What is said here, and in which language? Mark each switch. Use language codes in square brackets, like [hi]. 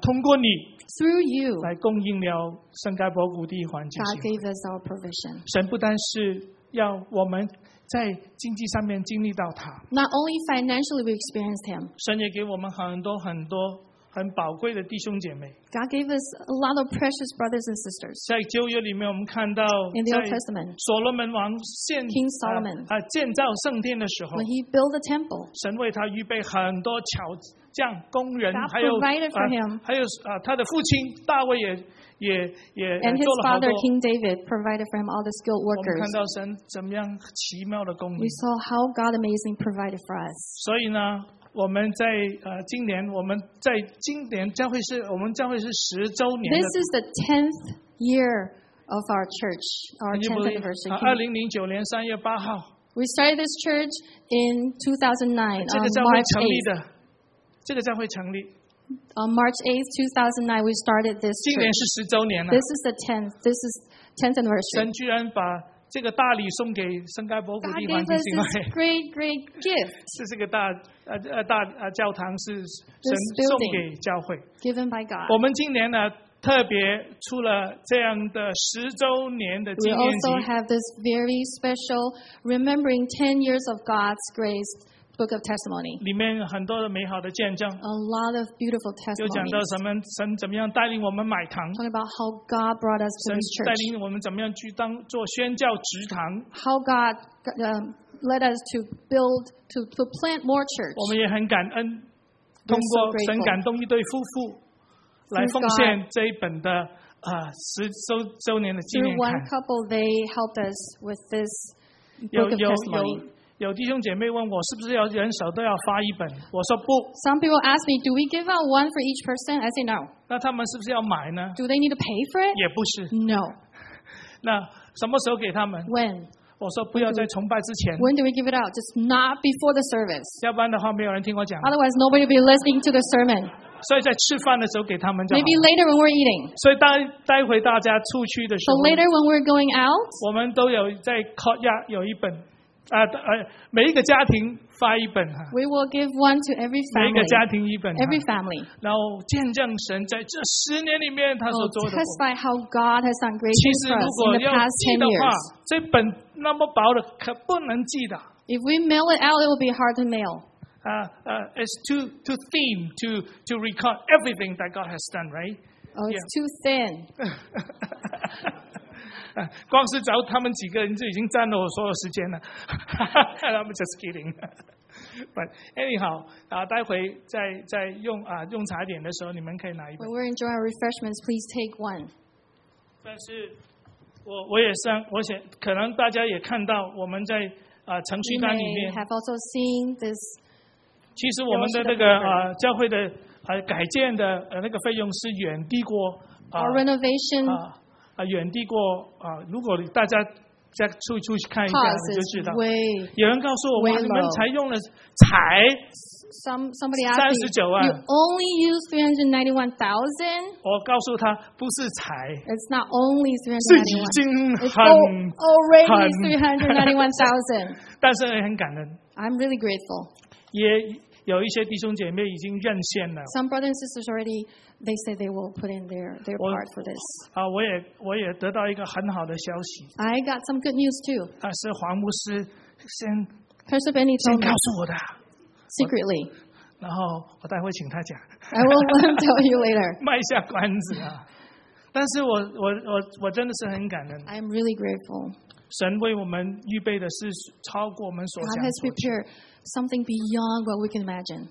[zh] 通过你 [en] ，through you， [zh] 来供应了圣盖博谷地环境。 [en] God gave us our provision. [zh] 神不单是要我们在经济上面经历到他 [en] ，not only financially we experienced Him. [zh] 神也给我们很多很多很宝贵的弟兄姐妹。 [en] God gave us a lot of precious brothers and sisters. [zh] 在旧约里面，我们看到在所罗门王建 [en] King Solomon [zh] 建造圣殿的时候 [en] ，when he built the temple， [zh] 神为他预备很多巧匠、工人，还有 [en] provided for him， [zh] 还有他的父亲大卫也 [en] and his father King David provided for him all the skilled workers. [zh] 我们看到神怎么样奇妙的供应。 [en] We saw how God amazing provided for us. [zh] 所以呢？我们在今年，我们在今年将会是我们将会是十周年的。 [en] This is the 10th year of our church, our 10th anniversary. [zh] 2009年3月8号。 [en] We started this church in 2009 on March 8th. [zh] 这个将会成立。 [en] On March 8th, 2009, we started this church. [zh] 今年是十周年了。 [en] This is the 10th. This is 10th anniversary. [zh] 神居然把这个大礼送给圣盖博谷地环境教会。 [en] Great, great gift. [zh] 是这个大。大教堂是神送给教会。 [en] Given by God. [zh] 我们今年呢，特别出了这样的十周年的纪念集。 [en] We also have this very special remembering 10 years of God's grace book of testimony. [zh] 里面很多的美好的见证。 [en] A lot of beautiful testimonies. [zh] 又讲到什么？神怎么样带领我们买堂 [en] ？Talking about how God brought us to this church. [zh] 神带领我们怎么样去当做宣教职堂 [en] ？How God led us to build, to plant more church. [zh] 我们也很感恩，通过神感动一对夫妇来奉献这一本的十周年的纪念刊。 [en] Through one couple, they helped us with this book of testimony. [zh] 有弟兄姐妹问我是不是要人手都要发一本？我说不。 [en] Some people ask me, do we give out one for each person? I say no. [zh] 那他们是不是要买呢 [en] ？Do they need to pay for it? [zh] 也不是。 [en] No. [zh] 那什么时候给他们 [en] ？When. [zh] 我说不要在崇拜之前。 [en] When do we give it out? Just not before the service. [zh] 要不然的话，没有人听我讲。 [en] Otherwise, nobody will be listening to the sermon. [zh] 所以在吃饭的时候给他们就 [en] 好。Maybe later when we're eating. [zh] 所以待会大家出去的时候。 [en] So later when we're going out. [zh] 我们都有在 courtyard 有一本，每一个家庭发一本哈。 [en] We will give one to every family. [zh] 每一个家庭一本。 [en] Every family. [zh] 然后见证神在这十年里面他所做的。 [en] Testify how God has done great things for us in the past 10 years. [zh] 这本。那么薄的可不能寄的。 [en] If we mail it out, it will be hard to mail. It's too thin to record everything that God has done, right? Oh, it's too thin. [zh] 光是找他们几个人就已经占了我所有时间了。 [en] I'm just kidding. But anyhow, [zh] 待会再用用茶点的时候，你们可以拿一本。 [en] When we're enjoying our refreshments, please take one. [zh] 但是。我也想，可能大家也看到我们在城区单里面。 [en] You may have also seen this. [zh] 其实我们的这个教会的改建的那个费用是远低过 [en] Our renovation. [zh] 远低过如果大家再出去看一下，你就知道。有人告诉我，你们才用了才。 [en] Somebody asked me, you only use 391,000? [zh] 我告诉他不是才。 [en] It's not only 391,000. It's already 391,000. [zh] 但是很感恩。 [en] I'm really grateful. [zh] 也有一些弟兄姐妹已经捐献了。 [en] Some brothers and sisters already, they say they will put in their part for this. [zh] 我也得到一个很好的消息。 [en] I got some good news too. [zh] 是黄牧师先。 [en] Pastor Benny told me. [zh] 先告诉我的。 [en] Secretly. [zh] 然后我待会请他讲。 [en] I will let him tell you later. [zh] 卖下关子啊。但是我真的是很感恩。 [en] I'm really grateful. [zh] 神为我们预备的是超过我们所想 [en] 的。God has prepared something beyond what we can imagine.